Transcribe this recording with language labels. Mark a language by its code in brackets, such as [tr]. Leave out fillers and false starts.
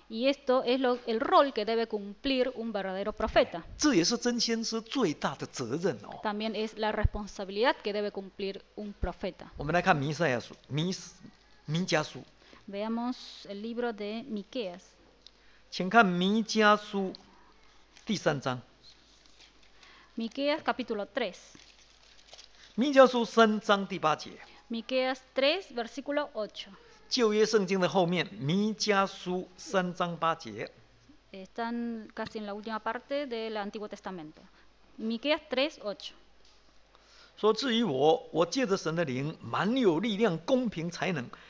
[es] Y esto es el rol que debe cumplir un verdadero profeta. [zh] 这也是真先知最大的责任哦。 [es] También es la responsabilidad que debe cumplir un profeta. [zh] 我们来看弥赛亚书，弥迦书。 [es] Veamos el libro de Miqueas. [zh] 请看弥迦书第三章。 [es] Miqueas capítulo 3. [zh] 弥迦书3章第8节。 [es] Miqueas 3 versículo 8. [zh] 旧约圣经的后面，弥迦书3章8节。 [es] Están casi en la última parte del Antiguo Testamento. Miqueas 3:8. [zh] 说至于我，我借着神的灵，满有力量，公平才能。